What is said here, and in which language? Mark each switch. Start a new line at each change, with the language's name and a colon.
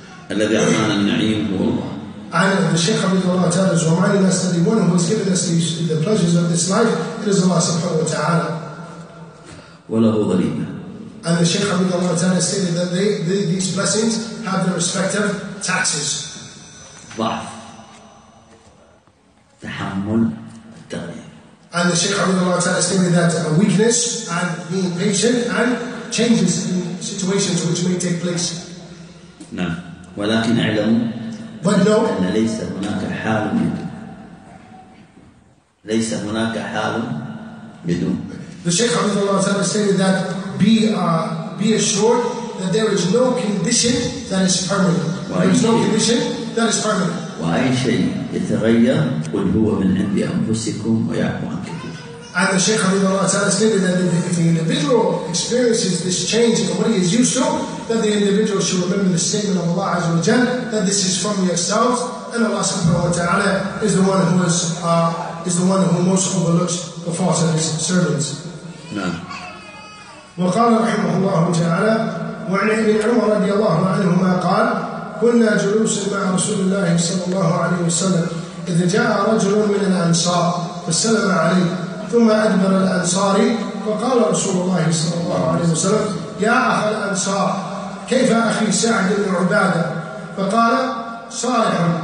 Arabic: الذي أعطانا النعيم هو الله.
English: And the Shaykh Habib Allah Ta'ala is reminding us that the one who has given us the pleasures of this life, it is Allah Subhanahu Wa Ta'ala.
Arabic: وله ضريبة.
English: And the Shaykh Habib Allah Ta'ala stated that these blessings have their respective taxes.
Arabic: ضعف تحمل التغيير.
English: And the Shaykh Habib Allah Ta'ala stated that a weakness and being patient and changes in situations which may take place.
Arabic: نعم. ولكن اعلم أن ليس هناك حال بدون. ليس هناك حال بدون.
English: The Shaykh Habib Allah Ta'ala stated that be assured that there is no condition that is permanent. There is no condition that is permanent.
Arabic: وأي شيء يتغير قل هو من عند أنفسكم ويعفو عن كثير.
English: And the Shaykh Habib Allah Ta'ala stated that if the individual experiences this change in what he is used to, that the individual should remember the statement of Allah Azza wa Jalla that this is from yourselves, and Allah Subhanahu wa Taala is the one who is the one who most overlooks the faults of his servants. No.
Arabic: وقال رحمه الله تعالى وعن ابن عمر رضي الله عنهما قال كنا جلوسا مع رسول الله صلى الله عليه وسلم إذ جاء رجل من الأنصار فسلم عليه ثم أدبر الأنصاري فقال رسول الله صلى الله عليه وسلم يا أخ الأنصار كيف أخي سعد بن عبادة فقال صالح